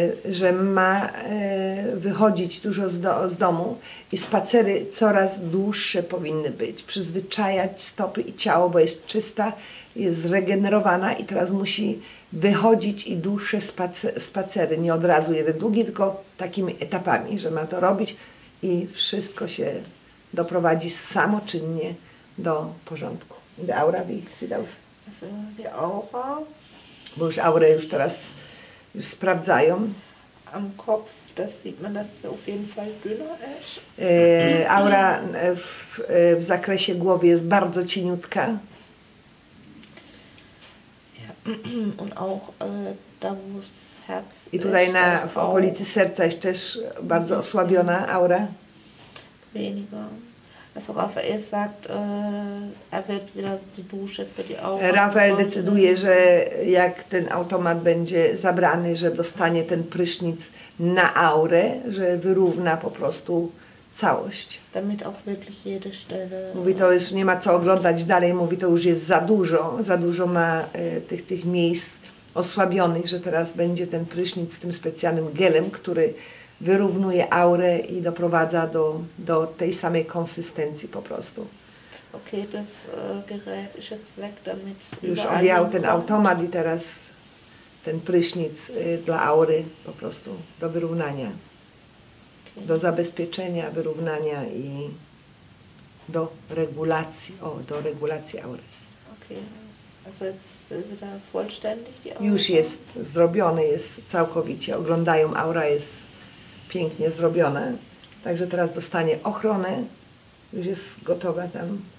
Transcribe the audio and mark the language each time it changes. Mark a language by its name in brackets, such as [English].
[Polish] że ma wychodzić dużo z domu i spacery coraz dłuższe powinny być, przyzwyczajać stopy i ciało, bo jest czysta, jest zregenerowana i teraz musi wychodzić i dłuższe spacery, nie od razu jeden długi, tylko takimi etapami, że ma to robić i wszystko się doprowadzi samoczynnie do porządku. [German] Die Aura, wie sieht aus? Die Aura. [Polish] Bo już aurę już teraz już sprawdzają. [German] Am Kopf, das sieht man, dass es auf jeden Fall dünner ist. [Polish] Aura w zakresie głowy jest bardzo cieniutka. [German] Und auch da muss Herz. [Polish] I tutaj na w okolicy serca jest też bardzo osłabiona aura. [German] Weniger. Also Rafael sagt, er wird wieder die Dusche für die Aura. [Polish] Rafael decyduje, że jak ten automat będzie zabrany, że dostanie ten prysznic na aurę, że wyrówna po prostu całość. [German] Damit auch wirklich jede Stelle. [Polish] Mówi, to już nie ma co oglądać dalej, mówi, to już jest za dużo ma tych miejsc osłabionych, że teraz będzie ten prysznic z tym specjalnym gelem, który wyrównuje aurę i doprowadza do tej samej konsystencji po prostu. [German] Okay, das Gerät ist jetzt weg, damit es [Polish] już objął ten automat i teraz ten prysznic dla aury po prostu do wyrównania. Okay. Do zabezpieczenia, wyrównania i do regulacji, do regulacji aury. Okay. [German] Also jetzt ist wieder vollständig die Aura. [Polish] Już jest zrobione, jest całkowicie, oglądają, aura jest pięknie zrobione, także teraz dostanie ochronę, już jest gotowa tam.